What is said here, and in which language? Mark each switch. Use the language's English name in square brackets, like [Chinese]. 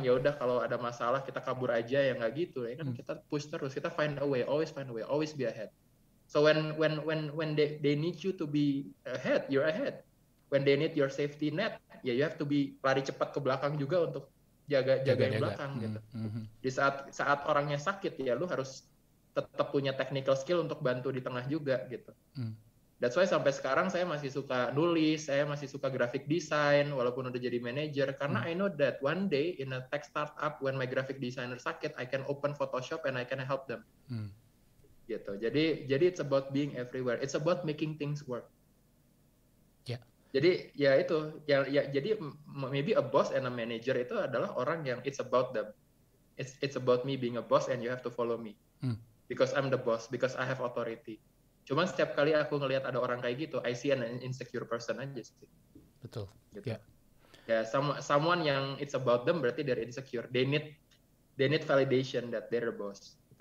[Indonesian] Ya udah kalau ada masalah kita kabur aja ya enggak gitu. Ya kan kita [English] push [Indonesian] terus, kita [English] find a way, always find a way, always be ahead. So when they need you to be ahead, you're ahead. When they need your safety net, ya you have to be [Indonesian] lari cepat ke belakang juga untuk jaga yang belakang gitu. Di saat orangnya sakit ya lu harus tetap punya technical skill untuk bantu di tengah juga gitu. [English] That's why [Indonesian] sampai sekarang saya masih suka [English] nulis, saya masih suka graphic design [Indonesian] walaupun udah jadi manager karena [English] I know that one day in a tech startup when my graphic designer [Indonesian] sakit, [English] I can open Photoshop and I can help them. Gitu. [Indonesian] Jadi [English] it's about being everywhere. It's about making things work. [Indonesian] Jadi ya itu ya jadi [English] maybe a boss and a manager [Indonesian] itu adalah orang yang [English] it's about them. It's about me being a boss and you have to follow me. Because I'm the boss, because I have authority. [Indonesian] Cuman setiap kali aku ngelihat ada orang kayak gitu, [English] I see an insecure person [Indonesian] aja sih. Betul. Gitu. Yeah. [English] Ya someone [Indonesian] yang [English] it's about them [Indonesian] berarti [English] they're insecure. They need validation that they're a boss.